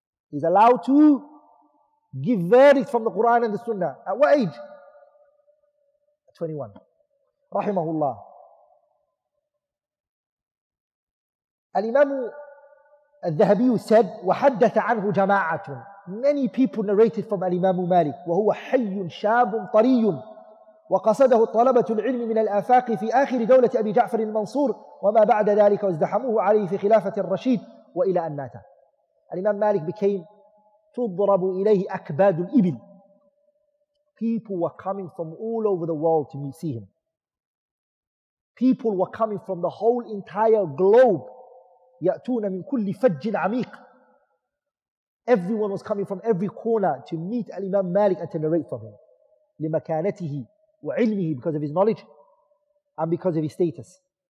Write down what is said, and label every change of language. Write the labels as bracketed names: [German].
[English] He's allowed to give verdict from the Quran and the Sunnah. At what age? 21. Rahimahullah. Al-Imam al-Dhahabi said, [Arabic] وَحَدَّثَ عَنْهُ جَمَاعَةٌ [English] Many people narrated from Al-Imam Malik. [Arabic] وَهُوَ حَيٌّ شَابٌ طَرِيٌّ وَقَصَدَهُ طَلَبَةُ الْعِلْمِ مِنَ الْآفَاقِ فِي آخِرِ دَوْلَةِ أَبِي جَعْفَرٍ الْمَنْصُورِ وَمَا بَعْدَ ذَلِكَ وَازْدَحَمُوهُ عَلَيْهِ فِي خِلَافَةِ الرَّشِيدِ وَإِلَى أَنْ مَاتَ [English] Al-Imam Malik became [Arabic] تُضْرَبُ إِلَيْهِ أَكْبَادُ الْإِبِلِ [English] People were coming from all over the world to see him. People were coming from the whole entire globe. [Arabic] يَأْتُونَ مِنْ كُلِّ فَجٍ عَمِيقٍ [English] Everyone was coming from every corner to meet Al-Imam Malik and to narrate from him. [Arabic] لِمَكَانَتِهِ وَعِلْمِهِ [English] Because of his knowledge and because of his status.